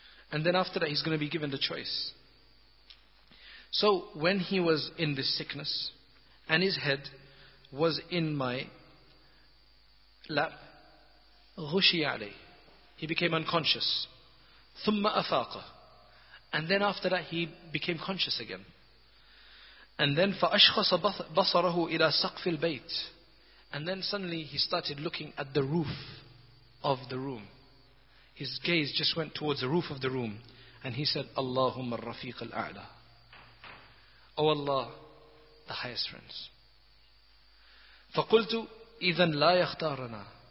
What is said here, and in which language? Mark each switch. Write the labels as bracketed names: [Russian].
[English] And then after that he's going to be given the choice. So when he was in this sickness and his head was in my lap, [Arabic] غُشِيَ عَلَيْهِ, [English] he became unconscious. [Arabic] ثُمَّ أَفَاقَ. [English] And then after that he became conscious again. And then [Arabic] فَأَشْخَصَ بَصَرَهُ إِلَى سَقْفِ الْبَيْتِ. [English] And then suddenly he started looking at the roof of the room. His gaze just went towards the roof of the room. And he said, [Arabic] اللهم الرفيق الأعلى. [English] Oh Allah, the highest friends. [Arabic] فَقُلْتُ إِذَنْ لَا يَخْتَارَنَا.